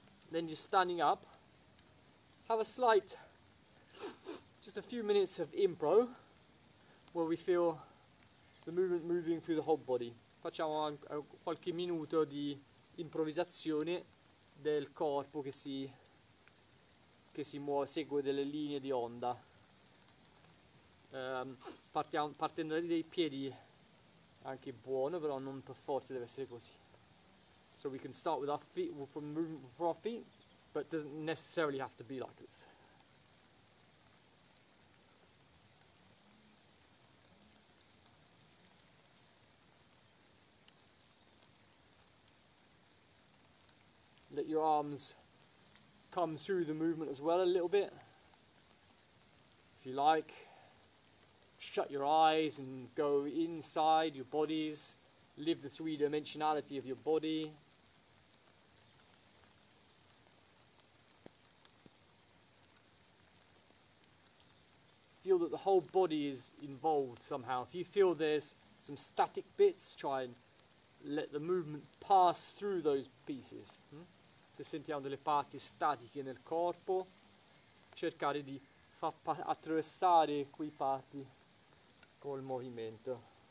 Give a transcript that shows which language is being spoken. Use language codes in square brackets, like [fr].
[en] Then just standing up, have a slight, just a few minutes of impro, where we feel the movement moving through the whole body. [it] Facciamo qualche minuto di improvvisazione del corpo che si muove, segue delle linee di onda. Partendo dai piedi, anche buono, però non per forza deve essere così. [en] So we can start with our feet, from movement from our feet. But doesn't necessarily have to be like this. Let your arms come through the movement as well a little bit. If you like, shut your eyes and go inside your bodies. Live the three-dimensionality of your body. Feel that the whole body is involved somehow. If you feel there's some static bits, try and let the movement pass through those pieces. [it] Se sentiamo delle parti statiche nel corpo, cercare di far attraversare quei parti col movimento.